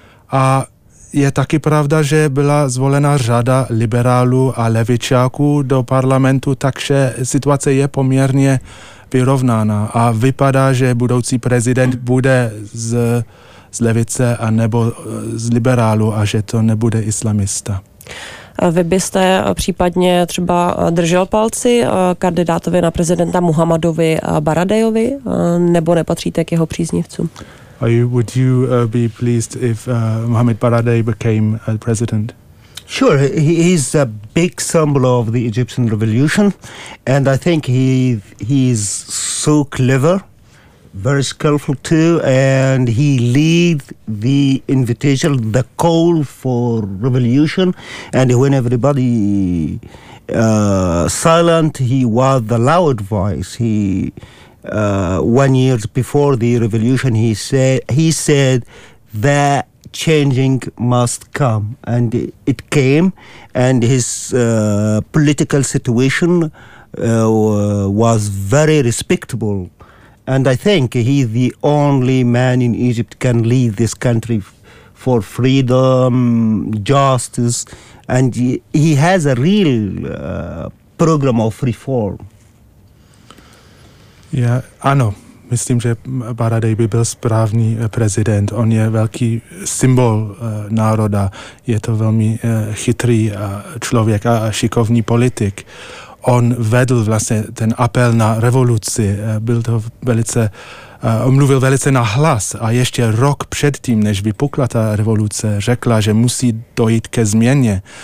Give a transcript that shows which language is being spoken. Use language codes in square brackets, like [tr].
[cs] A je taky pravda, že byla zvolena řada liberálů a levičáků do parlamentu, takže situace je poměrně vyrovnána a vypadá, že budoucí prezident bude z levice a nebo z liberálu a že to nebude islamista. Vy byste případně třeba držel palci kandidátovi na prezidenta Muhammadovi Baradejovi, nebo nepatříte k jeho příznivcům? [en] Would you be pleased if Mohamed Baradei became president? Sure, he is a big symbol of the Egyptian revolution, and I think he is so clever, very skillful too, and he leads the invitation, the call for revolution, and when everybody silent, he was the loud voice. He 1 year before the revolution, he said that changing must come, and it came, and his political situation was very respectable, and I think he's the only man in Egypt can lead this country for freedom, justice, and he has a real program of reform. Yeah, I know. [cs] Myslím, že Baradej by byl správný prezident. On je velký symbol národa. Je to velmi chytrý člověk a šikovný politik. on vedl vlastně ten apel na revoluci, byl to velice, mluvil velice na hlas a ještě rok předtím, než vypukla ta revoluce, řekla, že musí dojít ke změně.